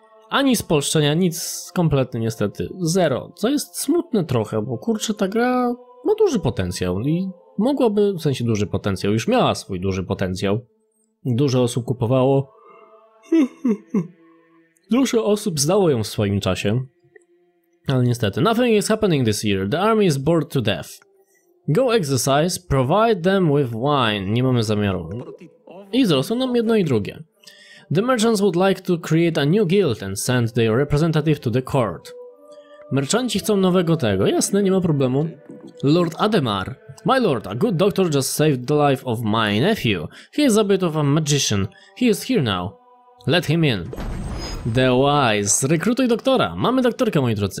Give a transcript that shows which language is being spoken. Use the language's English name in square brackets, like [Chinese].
[Polish] Ani spolszczenia, nic, kompletnie niestety, zero. Co jest smutne trochę, bo kurczę, ta gra ma duży potencjał i mogłaby, w sensie duży potencjał, już miała swój duży potencjał. Dużo osób kupowało. Dużo osób zdało ją w swoim czasie. Ale niestety, [English] nothing is happening this year, the army is bored to death. Go exercise, provide them with wine. [Polish] Nie mamy zamiaru. I zrosło nam jedno i drugie. [English] The merchants would like to create a new guild and send their representative to the court. [Polish] Merchanci chcą nowego tego. Jasne, nie ma problemu. [English] Lord Ademar. My lord, a good doctor just saved the life of my nephew. He is a bit of a magician. He is here now. Let him in. The wise. [Polish] Rekrutuj doktora. Mamy doktorkę, moi drodzy.